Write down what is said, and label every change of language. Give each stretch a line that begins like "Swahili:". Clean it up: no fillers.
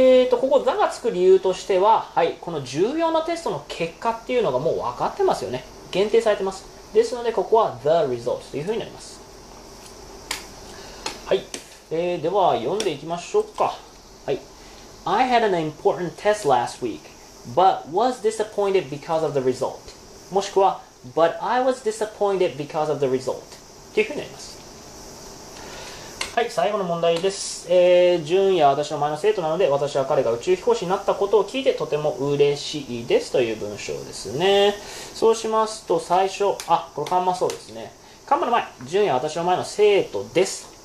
Japanese: ここ、the がつく理由としては、はい、この重要なテストの結果っていうのがもう分かってますよね。限定されてます。ですので、ここは the result というふうになります。はい。では、読んでいきましょうか。はい。
English: I had an important test last week, but was disappointed because of the result.
Japanese: もしくは、
English: But I was disappointed because of the result.
Japanese: というふうになります。はい、最後の問題です。純也は私の前の生徒なので、私は彼が宇宙飛行士になったことを聞いてとても嬉しいですという文章ですね。そうしますと、最初、あ、これカンマそうですね。カンマの前、純也は私の前の生徒です。